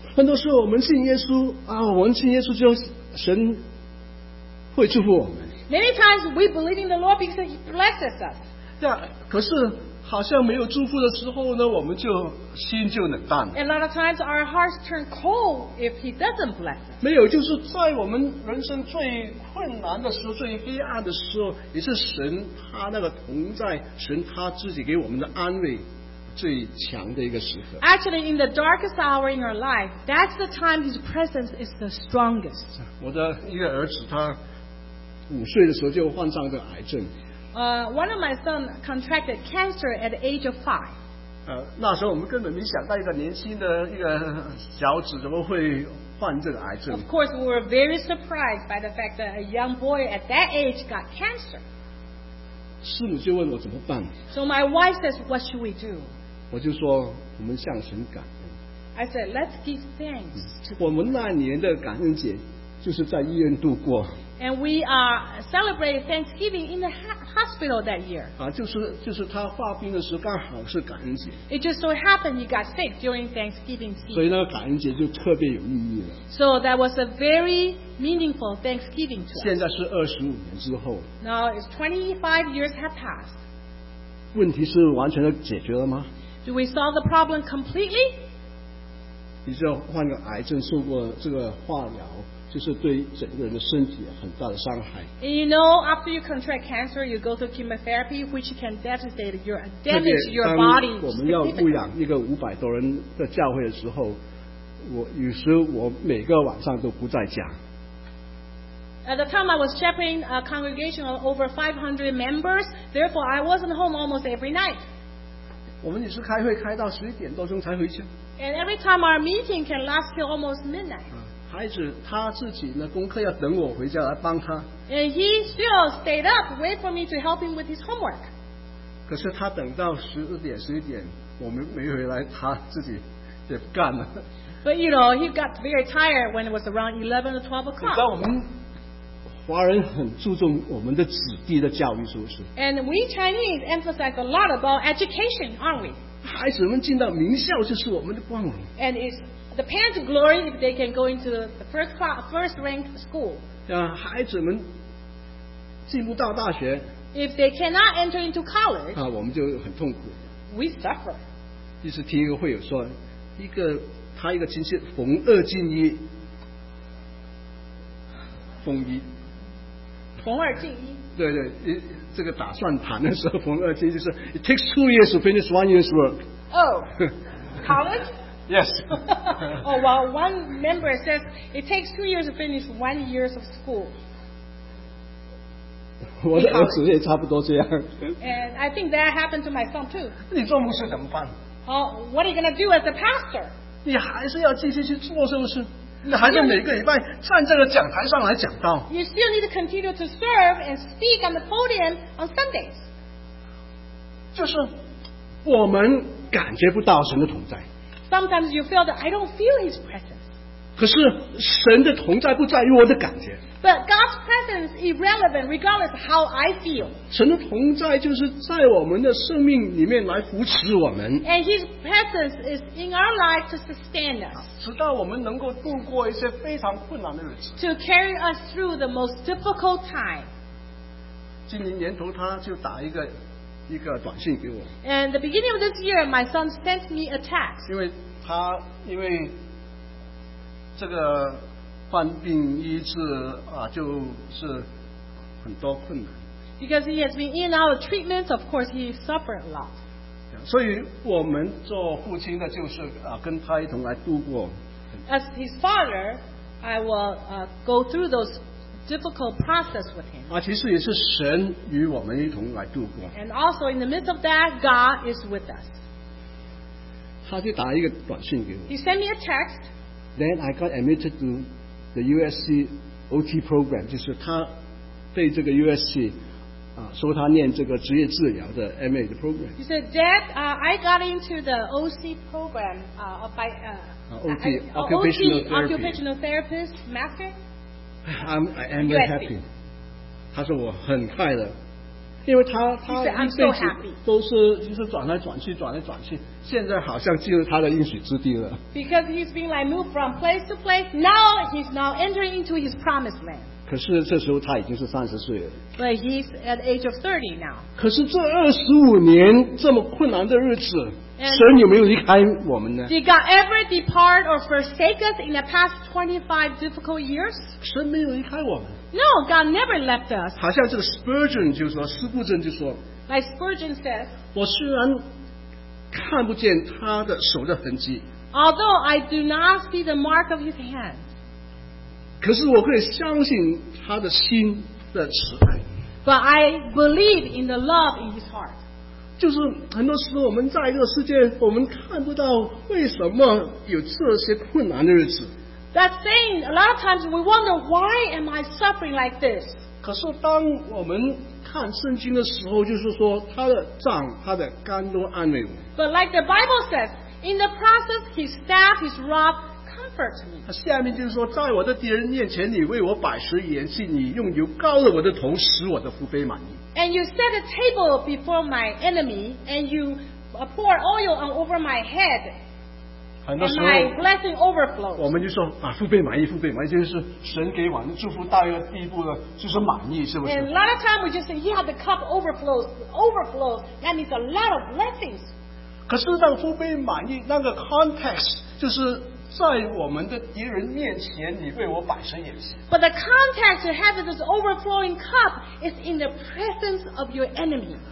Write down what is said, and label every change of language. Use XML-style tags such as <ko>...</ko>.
<zh>很多时候我们信耶稣我们信耶稣就神。会祝福我们。</zh> <en>Many times we believe in the Lord because He blesses us.</en> <zh>可是好像没有祝福的时候呢，我们就心就冷淡。</zh> <en>And a lot of times our hearts turn cold if He doesn't bless us.</en> <zh>没有，就是在我们人生最困难的时候、最黑暗的时候，也是神他那个同在、神他自己给我们的安慰最强的一个时刻。</zh> <en>Actually, in the darkest hour in our life, that's the time His presence is the strongest.</en> <zh>我的一个儿子他。五岁的时候就患上了癌症。</zh> <en>One of my son contracted cancer at the age of five.</en> <zh>那时候我们根本没想到一个年轻的一个小子怎么会患这个癌症。</zh> <en>Of course, we were very surprised by the fact that a young boy at that age got cancer.</en> <zh>师母就问我怎么办。</zh> <en>So my wife says, "What should we do?"</en> <zh>我就说我们向神感恩。</zh> <en>I said, "Let's give thanks."</en> <zh>我们那年的感恩节就是在医院度过。</zh> <en>And we celebrated Thanksgiving in the hospital that year.</en> <zh>就是他发病的时候刚好是感恩节。</zh> <en>It just so happened he got sick during Thanksgiving season.</en> <zh>所以那个感恩节就特别有意义了。</zh> <en>So that was a very meaningful Thanksgiving to us.</en> <zh>现在是25年之后。</zh> <en>Now it's 25 years have passed.</en> <zh>问题是完全的解决了吗？</zh> <en>Do we solve the problem completely?</en> <zh>你知道患了癌症受过这个化疗，就是对整个人的身体很大的伤害。</zh> <en>And you know, after you contract cancer, you go through chemotherapy, which can devastate your damage your body.</en> <zh>当我们要牧养一个五百多人的教会的时候，我有时我每个晚上都不在家。</zh> <en>At the time I was shepherding a congregation of over 500 members, therefore I wasn't home almost every night.</en> <zh>我们也是开会开到十一点多钟才回家。</zh> <en>And every time our meeting can last till almost midnight.</en> <zh>孩子他自己的功课要等我回家来帮他。</zh> <en>And he still stayed up, wait for me to help him with his homework.</en> <zh>可是他等到十二点十一点，我们没回来，他自己也不干了。</zh> <en>But you know, he got very tired when it was around 11 or 12 o'clock.</en> <zh>你知道我们华人很注重我们的子弟的教育，是不是</zh> <en>？And we Chinese emphasize a lot about education, aren't we?</en> <zh>孩子们进到名校就是我们的光荣。</zh> <en>And it's the parents' glory if they can go into the first class, first ranked school.</en> <zh>孩子们进不到大学</zh> <en>，if they cannot enter into college,</en> <zh>我们就很痛苦。</zh> <en>We suffer.</en> <zh>就是听一个会友说，一个他一个亲戚逢二进一，逢一。逢二进一，对对，这个打算谈的时候，逢二进一就是</zh> <en>it takes 2 years to finish 1 year's work. Oh, college? Yes. Oh, well, one member says it takes 2 years to finish 1 year's of school.</en> <zh>我的儿子也差不多这样。</zh> <en>And I think that happened to my son too.</en> <zh>你做牧师怎么办？</zh> <en>好 ，What are you going to do as a pastor?</en> <zh>你还是要继续去做，是不是？你还是每个礼拜站在这个讲台上来讲道。</zh> <en>You still need to continue to serve and speak on the podium on Sundays.</en> <zh>就是我们感觉不到神的同在。</zh> <en>Sometimes you feel that I don't feel His presence.</en> <zh>可是神的同在不在于我的感觉。</zh> <en>But God's presence is irrelevant regardless of how I feel.</en> <zh>神的同在就是在我们的生命里面来扶持我们。</zh> <en>And His presence is in our life to sustain us.</en> <zh>直到我们能够度过一些非常困难的日子。</zh> <en>To carry us through the most difficult time.</en> <zh>今年年头他就打一个短信给我。</zh> <en>And the beginning of this year, my son sent me a text.</en> <zh>因为这个患病医治就是很多困难。</zh> <en>Because he has been in our treatments, of course he suffered a lot.</en> <zh>所以我们做父亲的就是跟他一同来度过。</zh> <en>As his father, I will go through those difficult process with him.</en> <zh>其实也是神与我们一同来度过。</zh> <en>And also in the midst of that, God is with us.</en> <zh>他就打一个短信给我。</zh> <en>He sent me a text. Then I got admitted to the USC OT program,</en> <zh>就是他被这个 USC 说他念这个职业治疗的 MA 的 program.</zh> <en>He said, Dad, I got into the OC program OT, Occupational Therapist Master. I am very happy.</en> <zh>他说我很快乐，因为他一辈子都是就是转来转去转来转去，现在好像进入他的应许之地了。</zh> <en>Because he's been like moved from place to place, now he's now entering into his promised land.</en> <zh>可是这时候他已经是30岁了。</zh> <en>But he's at the age of 30 now.</en> <zh>可是这25年这么困难的日子，</zh> <en>And、</en> <zh>神有没有离开我们呢？</zh> <en>Did God ever depart or forsake us in the past 25 difficult years?</en> <zh>神没有离开我们。</zh> <en>No, God never left us.</en> <zh>好像这个 Spurgeon 就说，斯布正就说。</zh> <en>Like Spurgeon says,</en> <zh>我虽然看不见他的手的痕迹。</zh> <en>Although I do not see the mark of his hand.</en> <zh>可是我可以相信他的心的慈爱。</zh> <en>But I believe in the love in his heart.</en> <zh>就是很多时候我们在这个世界，我们看不到为什么有这些困难的日子。</zh> <en>That saying, a lot of times we wonder, why am I suffering like this?</en> <zh>可是当我们看圣经的时候，就是说他的杖、他的竿都安慰我。</zh> <en>But like the Bible says, in the process, his staff, his rod, comforts me.</en> <zh>下面就是说，在我的敌人面前，你为我摆设筵席，你用油膏了我的头，使我的腹杯满溢。</zh> <en>And you set a table before my enemy, and you pour oil on over my head.</en> <zh>很多时候，我们就说腹背满意，腹背满意就是神给我们祝福到一个地步了，就是满意，是不是</zh> <en>？And a lot of time we just say, yeah, the cup overflows. That means a lot of blessings.</en> <zh>可是，当腹背满意那个 context 就是在我们的敌人面前，你为我摆设筵席。</zh> <en>But the context to have this overflowing cup is in the presence of your enemy.</en>